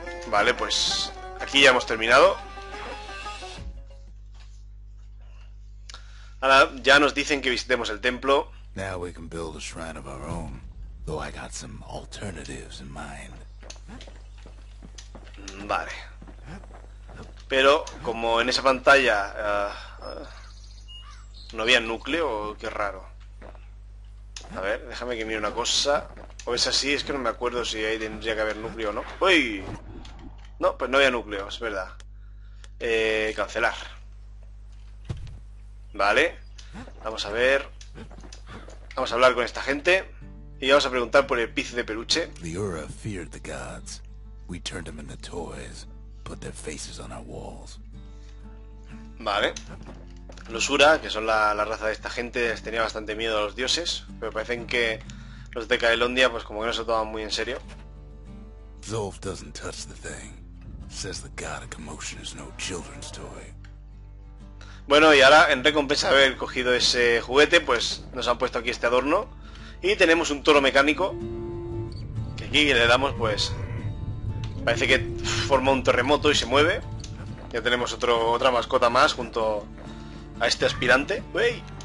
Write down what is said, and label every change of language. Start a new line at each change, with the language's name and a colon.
Spanish: Vale, pues aquí ya hemos terminado. Ahora ya nos dicen que visitemos el templo.
English: Now we can build a shrine of our own, though I got some alternatives in mind.
Spanish: Vale. Pero como en esa pantalla no había núcleo, qué raro. A ver, déjame que mire una cosa. O es así, es que no me acuerdo si ahí tendría que haber núcleo o no. ¡Uy! No, pues no había núcleo, es verdad. Cancelar. Vale. Vamos a ver. Vamos a hablar con esta gente y vamos a preguntar por el Piz de peluche.
English: The Ura feared the gods. We turned them into toys, put their faces on our walls.
Spanish: Vale. Los Ura, que son la raza de esta gente, les tenía bastante miedo a los dioses, pero parecen que los de Caelondia pues como que no se toman muy en serio.
English: Zulf doesn't touch the thing. Says the god of commotion is no children's toy.
Spanish: Bueno, y ahora, en recompensa de haber cogido ese juguete, pues nos han puesto aquí este adorno. Y tenemos un toro mecánico. Que aquí le damos, pues... Parece que forma un terremoto y se mueve. Ya tenemos otra mascota más junto a este aspirante. ¡Uy!